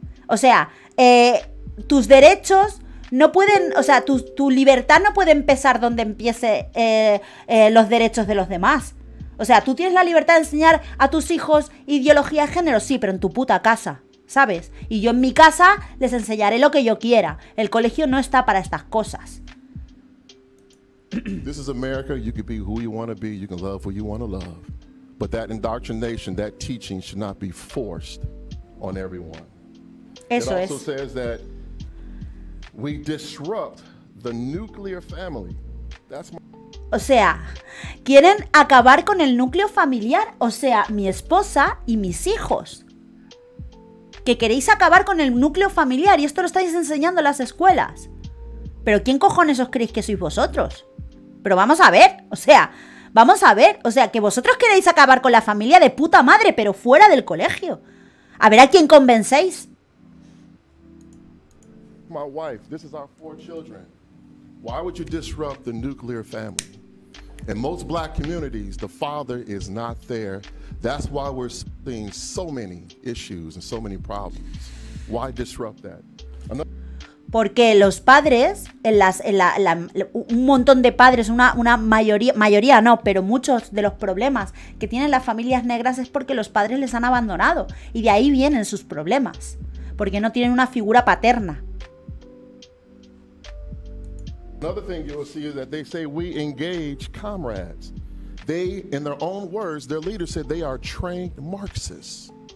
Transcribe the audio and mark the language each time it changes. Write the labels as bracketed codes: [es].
[es] O sea, tus derechos no pueden, o sea, tu libertad no puede empezar donde empiece los derechos de los demás. O sea, tú tienes la libertad de enseñar a tus hijos ideología de género, sí, pero en tu puta casa, ¿sabes? Y yo en mi casa les enseñaré lo que yo quiera. El colegio no está para estas cosas. [en] This is America. You can be who you want to be. You can love who you want to love. But that indoctrination, that teaching should not be forced on everyone. [es] Eso es. [en] It also says that we disrupt the nuclear family [es] O sea, quieren acabar con el núcleo familiar, o sea, mi esposa y mis hijos. Que queréis acabar con el núcleo familiar y esto lo estáis enseñando en las escuelas. ¿Pero quién cojones os creéis que sois vosotros? Pero vamos a ver, o sea, vamos a ver. O sea, que vosotros queréis acabar con la familia de puta madre, pero fuera del colegio. A ver a quién convencéis. [en] My wife, this is our four children. Why would you disrupt the nuclear family? In most black communities, the father is not there. That's why we're seeing so many issues and so many problems. Why disrupt that? [es] Porque los padres, un montón de padres, una mayoría no, pero muchos de los problemas que tienen las familias negras es porque los padres les han abandonado. Y de ahí vienen sus problemas. Porque no tienen una figura paterna. [en] Another thing you will see is that they say we engage comrades. They, in their own words, their leader said they are trained Marxists.